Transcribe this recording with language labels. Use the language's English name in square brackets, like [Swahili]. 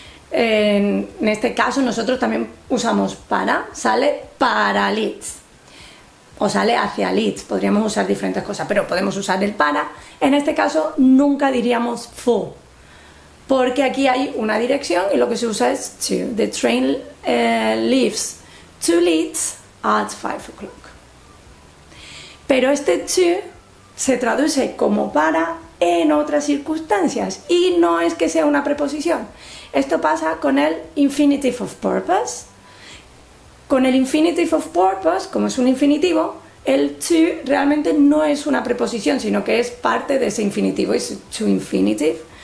[Spanish] En este caso nosotros también usamos para, sale para Leeds. O sale hacia Leeds, podríamos usar diferentes cosas, pero podemos usar el para. En este caso nunca diríamos for, porque aquí hay una dirección y lo que se usa es to. [English] The train leaves to Leeds at 5:00. [Spanish] Pero este to se traduce como para en otras circunstancias y no es que sea una preposición. Esto pasa con el infinitive of purpose. Con el infinitive of purpose, como es un infinitivo, el to realmente no es una preposición, sino que es parte de ese infinitivo, es to infinitive.